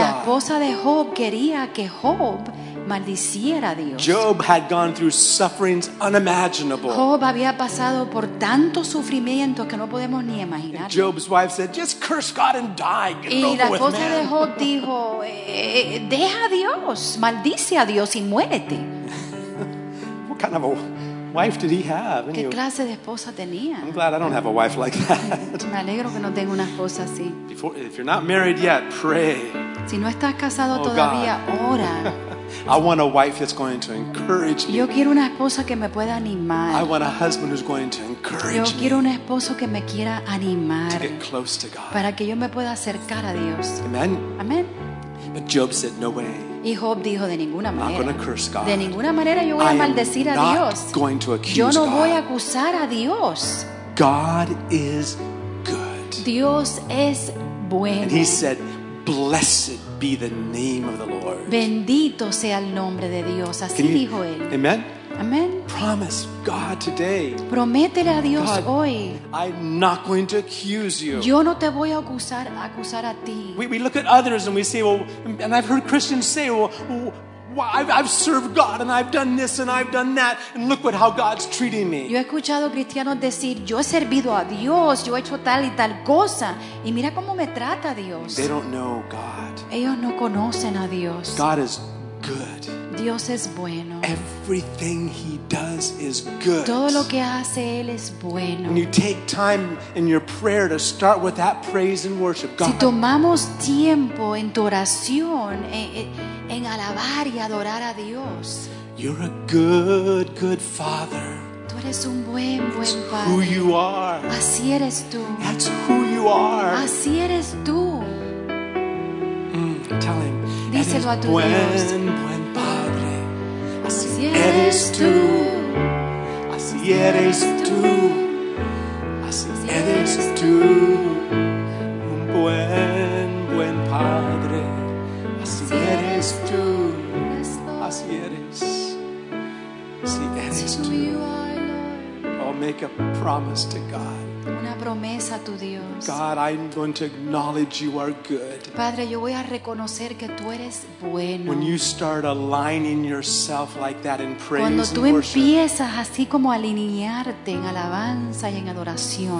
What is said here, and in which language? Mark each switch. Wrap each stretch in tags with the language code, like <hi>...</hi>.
<es>La esposa de Job quería que Job maldiciera a Dios.</es> <en>Job had gone through sufferings unimaginable.</en> <es>Job había pasado por tanto sufrimiento que no podemos ni imaginar.</es> <en>Job's wife said, "Just curse God and die."</en> <es>Y la esposa de Job dijo, "Deja a Dios, maldice a Dios y muérete."</es> <en>What kind of a wife did he have?</en> <es>¿Qué clase de esposa tenía?</es> <en>I'm glad I don't have a wife like that.</en> <es>Me alegro que no tenga una esposa así.</es> <en>Before, if you're not married yet, pray.</en> <es>Si no estás casado todavía, ora.</es> <en>I want a wife that's going to encourage me.</en> <es>Yo quiero una esposa que me pueda animar.</es> <en>I want a husband who's going to encourage me.</en> <es>Yo quiero un esposo que me quiera animar.</es> <en>To get close to God.</en> <es>Para que yo me pueda acercar a Dios.</es> <en>Amen.</en> <es>Amen.</es> <en>But Job said, "No way."</en> <es>Y Job dijo, de ninguna manera.</es> <en>I'm not going to curse God.</en> <es>De ninguna manera yo voy a maldecir a Dios.</es> <en>I am not going to accuse God.</en> <es>Yo no voy a acusar a Dios.</es> <en>God is good.</en> <es>Dios es bueno.</es> <en>And he said, "Blessed be the name of the Lord."</en> <es>Bendito sea el nombre de Dios. Así dijo él.</es> <en>Amen.</en> <es>Amen.</es> <en>Promise God today.</en> <es>Prométele a Dios</es> <en>God,</en> <es>hoy.</es> <en>I'm not going to accuse you.</en> <es>Yo no te voy a acusar a ti.</es> <en>We look at others and we say, well, and I've heard Christians say, well, I've served God and I've done this and I've done that, and look what how God's treating me.</en> <es>Yo he escuchado cristianos decir, yo he servido a Dios, yo he hecho tal y tal cosa, y mira cómo me trata Dios.</es> <en>They don't know God.</en> <es>Ellos no conocen a Dios.</es> <en>God is good.</en> <es>Dios es bueno.</es> <en>Everything he does is good.</en> <es>Todo lo que hace él es bueno.</es> <en>When you take time in your prayer to start with that praise and worship, God.</en> <es>Si tomamos tiempo en tu oración en alabar y adorar a Dios.</es> <en>You're a good, good father.</en> <es>Tú eres un buen</es> <en>That's</en> <es>padre.</es> <en>Who you are.</en> <es>Así eres tú.</es> <en>That's who you are.</en> <es>Así eres tú.</es> <en>Tell him.</en> <es>Díselo a tu buen, Dios. Buen padre. Así, así eres tú. Así eres tú. Así eres tú. Un buen padre. Así eres tú. Así eres. Así eres tú.</es> <en>Oh, make a promise to God.</en> <es>Una promesa a tu Dios.</es> <en>God, I'm going to acknowledge you are good.</en> <es>Padre, yo voy a reconocer que tú eres bueno.</es> <en>When you start aligning yourself like that in praise and worship.</en> <es>Cuando tú empiezas así como alinearte en alabanza y en adoración.</es>